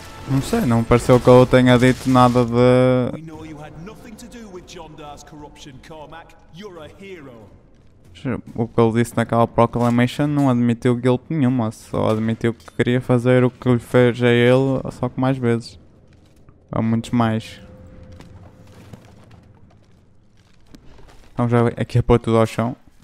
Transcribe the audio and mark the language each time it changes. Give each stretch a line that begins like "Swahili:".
Portuguese: Não sei, não pareceu que ele tenha dito nada de...
English: We know you had nothing to do with Jondar's corruption, Cormac. You're a hero.
Portuguese: O que ele disse naquela proclamation não admitiu guilt nenhuma, só admitiu que queria fazer o que lhe fez a ele, só que mais vezes. Há muitos mais. Vamos já aqui a pôr tudo ao chão.